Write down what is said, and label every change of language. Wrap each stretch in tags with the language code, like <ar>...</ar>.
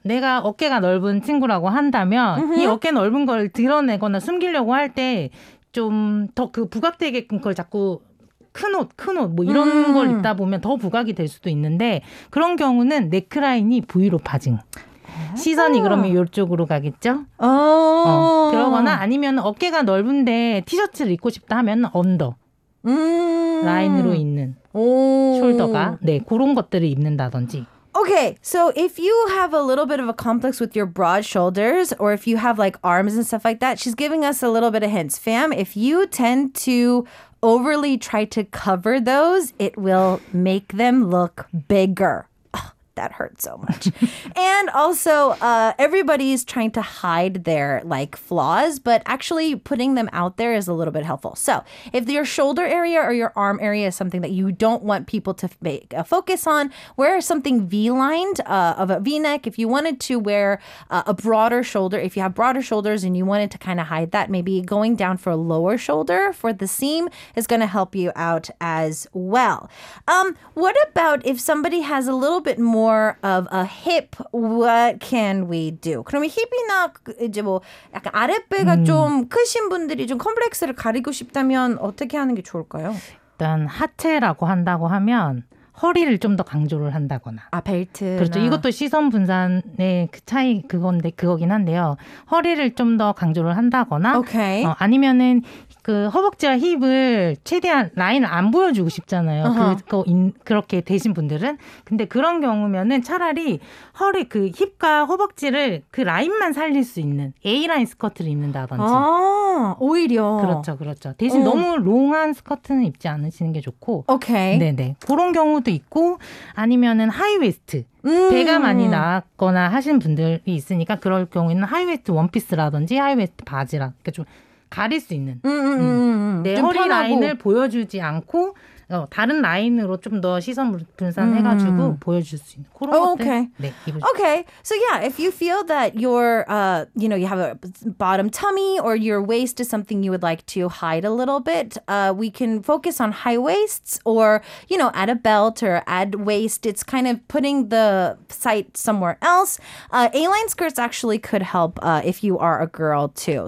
<ko>내가 어깨가 넓은 친구라고 한다면 이 어깨 넓은 걸 드러내거나 숨기려고 할 때 좀 더 그 부각되게끔 그걸 자꾸 큰 옷 뭐 이런 걸 입다 보면 더 부각이 될 수도 있는데 그런 경우는 넥라인이 V로 파징. 시선이 그러면 이쪽으로 가겠죠? 그러거나 아니면 어깨가 넓은데 티셔츠를 입고 싶다 하면 언더. 라인으로 있는 숄더가. 네, 그런 것들을 입는다든지.</ko> <en>Okay, so if you have a little bit of a complex with your broad shoulders or if you have like arms and stuff like that, she's giving us a little bit of hints. Fam, if you tend to overly try to cover those, it will make them look bigger. Oh, that hurts so much. And also, everybody's trying to hide their like flaws, but actually putting them out there is a little bit helpful. So if your shoulder area or your arm area is something that you don't want people to make a focus on, wear something V-lined of a V-neck. If you wanted to wear a broader shoulder, if you have broader shoulders and you wanted to kind of hide that, maybe going down for a lower shoulder for the seam is going to help you out as well. What about if somebody has a little bit more of a hip? What can we do?</en> <ko>그러면 힙이나 이제 뭐 약간 아랫배가 좀 크신 분들이 좀 컴플렉스를 가리고 싶다면 어떻게 하는 게 좋을까요? 일단 하체라고 한다고 하면 허리를 좀 더 강조를 한다거나. 아, 벨트. 그렇죠. 이것도 시선 분산의 그 차이 그건데 그거긴 한데요. 허리를 좀 더 강조를 한다거나. 오케이. 아니면은 그 허벅지와 힙을 최대한 라인을 안 보여주고 싶잖아요. 그렇게 되신 분들은. 근데 그런 경우면은 차라리 허리 그 힙과 허벅지를 그 라인만 살릴 수 있는 A라인 스커트를 입는다든지. 아, 오히려. 그렇죠. 그렇죠. 대신 너무 롱한 스커트는 입지 않으시는 게 좋고. 오케이. 네네. 그런 경우도 있고 아니면은 하이웨스트. 배가 많이 나왔거나 하신 분들이 있으니까 그럴 경우에는 하이웨스트 원피스라든지 하이웨스트 바지라. 그러니까 좀 가릴 수 있는 내 허리 편하고. 라인을 보여주지 않고 다른 라인으로 좀 더 시선 분산해가지고 보여줄 수 있는 그런 것들.</ko> <en>Okay.</en> <ko>네,</ko> <en>okay. So yeah, if you feel that your, you know, you have a bottom tummy or your waist is something you would like to hide a little bit, we can focus on high waists or, you know, add a belt or add waist. It's kind of putting the sight somewhere else. A-line skirts actually could help if you are a girl too.</en>